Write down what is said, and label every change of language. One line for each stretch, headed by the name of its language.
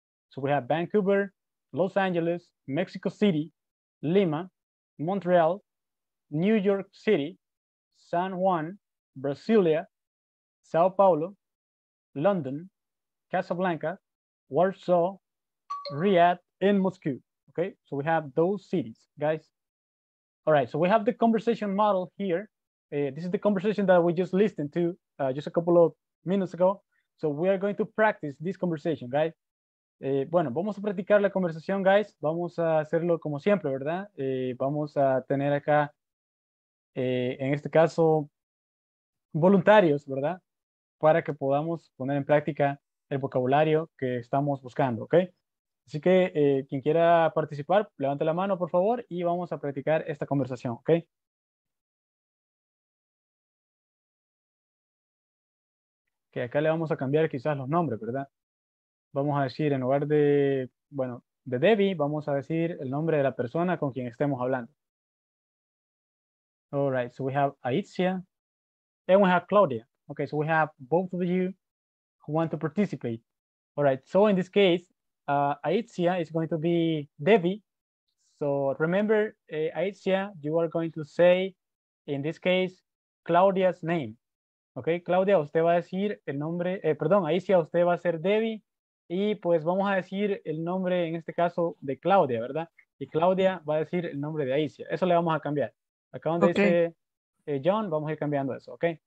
English: So we have Vancouver, Los Angeles, Mexico City, Lima, Montreal, New York City, San Juan, Brasilia, Sao Paulo, London, Casablanca, Warsaw, Riyadh, and Moscow. Okay, so we have those cities, guys. All right, so we have the conversation model here. This is the conversation that we just listened to just a couple of minutes ago. So we are going to practice this conversation, guys.
Spanish: Bueno, vamos a practicar la conversación, guys. Vamos a hacerlo como siempre, ¿verdad? Vamos a tener acá, en este caso, voluntarios, ¿verdad? Para que podamos poner en práctica el vocabulario que estamos buscando, ¿ok? Así que quien quiera participar, levante la mano, por favor, y vamos a practicar esta conversación, ¿ok? Que acá le vamos a cambiar quizás los nombres, ¿verdad? Vamos a decir, en lugar de, bueno, de Debbie, vamos a decir el nombre de la persona con quien estemos hablando.
English: All right, so we have Aitzia, and we have Claudia. Okay, so we have both of you who want to participate. All right, so in this case, Aitzia is going to be Debbie. So remember, Aitzia, you are going to say, in this case, Claudia's name.
Spanish: Ok, Claudia, usted va a decir el nombre, perdón, Aisha, usted va a ser Debbie, y pues vamos a decir el nombre, en este caso, de Claudia, ¿verdad? Y Claudia va a decir el nombre de Aisha. Eso le vamos a cambiar. Acá donde okay. dice John, vamos a ir cambiando eso, ¿ok?